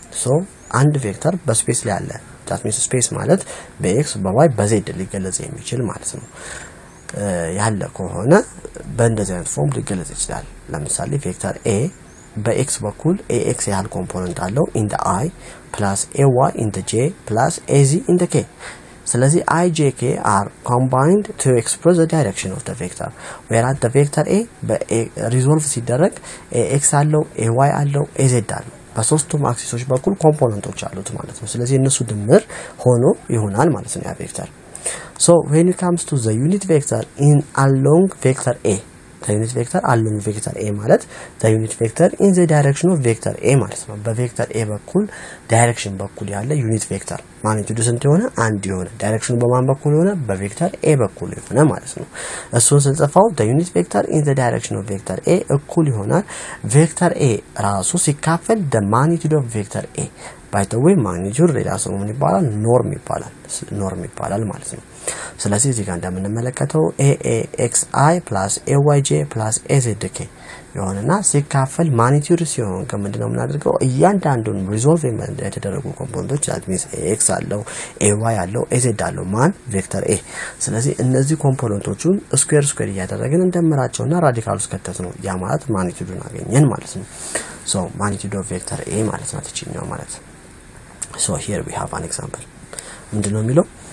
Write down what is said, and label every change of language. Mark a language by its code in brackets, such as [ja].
[en] so and vector [am] በስፔስ ላይ አለ። [en] that means space [am] ማለት በx በy በz ሊገለጽ የሚችል ማለት ነው። ያለ ከሆነ በእንደዚህ አይነት ፎርም ሊገለጽ ይችላል። ለምሳሌ ቬክተር a በx በኩል ax ያህል ኮምፖነንት አለው [en] in the i plus ay in the j plus az in the k. [am] ስለዚህ [en] i j k are combined to express the direction of the vector where at the vector a [am] በa resolve ሲደረግ ax አለው ay አለው az አለው በሶስቱም አክሲሶች በኩል ኮምፖነንቶች አሉት ማለት ነው። ስለዚህ እነሱ ድምር ሆኖ ይሆናል ማለት ነው ያ ቬክተር። [en] So when it comes to the unit vector in along vector a, the unit vector along vector a [am] ማለት the unit vector in the direction of vector a ማለት ነው። በvector a በኩል direction በኩል ያለ unit vector magnitude ስንት ሆነ? አንድ ሆነ። direction በማን በኩል ሆነ? [en] በvector a በኩል ሆነ ማለት ነው። [am] እሱን ስንጽፈው [en] the unit vector in the direction of vector a [am] እኩል ይሆናል [en] vector a [am] ራሱ ሲካፈል [en] the magnitude of vector a by the way magnitude [am] ሌላ ሰው ምን ይባላል? norm ይባላል። norm ይባላል ማለት ነው። ስለዚህ እዚህ ጋር እንደምንመለከተው AAXI plus AYJ plus AZK የሆነና ሲካፈል ማግኒቱድ ሲሆን ከምንድን ነው የምናደርገው? እያንዳንዱን ሪዞልቭ የተደረጉ ኮምፖነንቶች [en] that means [am] AX አለው AY አለው AZ አለው ማን ቬክተር A። ስለዚህ እነዚህ ኮምፖነንቶቹን ስኩዌር ስኩዌር እያደረግን እንደምራቸውና ራዲካል ስከተት ነው ያ ማለት ማግኒቱዱን አገኘን ማለት ነው። [en] so magnitude of vector A [am] ማለት ነው ትችኛው ማለት። [en] so here we have an example [am] ምንድን ነው የሚለው?